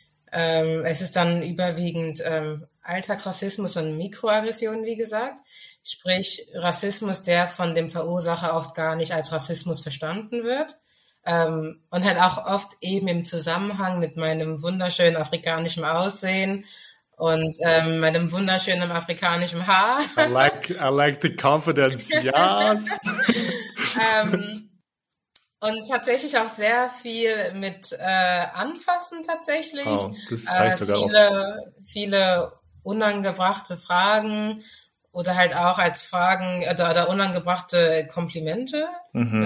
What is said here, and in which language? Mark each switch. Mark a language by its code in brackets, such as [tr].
[de] Es ist dann überwiegend Alltagsrassismus und Mikroaggression, wie gesagt. Sprich Rassismus, der von dem Verursacher oft gar nicht als Rassismus verstanden wird. Und halt auch oft eben im Zusammenhang mit meinem wunderschönen afrikanischen Aussehen und meinem wunderschönen afrikanischen Haar. [en] I like the confidence, yes. [de] Und tatsächlich auch sehr viel mit Anfassen tatsächlich. Oh, das sage ich sogar viele, viele unangebrachte Fragen oder halt auch als Fragen oder unangebrachte Komplimente. Mhm.